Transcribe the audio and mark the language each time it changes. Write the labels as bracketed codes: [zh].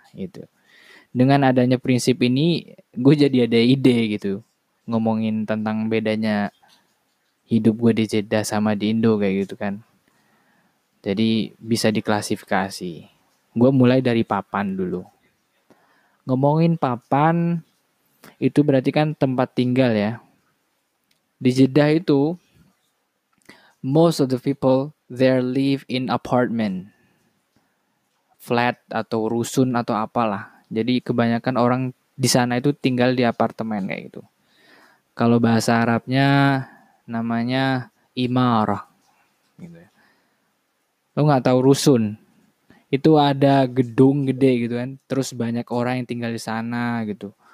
[id] Gitu. Dengan adanya prinsip ini, gue jadi ada ide gitu, ngomongin tentang bedanya hidup gue di Jeddah sama di Indo kayak gitu kan. Jadi bisa diklasifikasi. Gue mulai dari papan dulu. Ngomongin papan, itu berarti kan tempat tinggal ya. Di Jeddah itu, [en] most of the people, they live in apartment. [id] Flat atau rusun atau apalah. Jadi kebanyakan orang di sana itu tinggal di apartemen kayak gitu. Kalau bahasa Arabnya, namanya imarah. Gitu ya. Lo gak tahu rusun. Itu ada gedung gede gitu kan, terus banyak orang yang tinggal di sana gitu.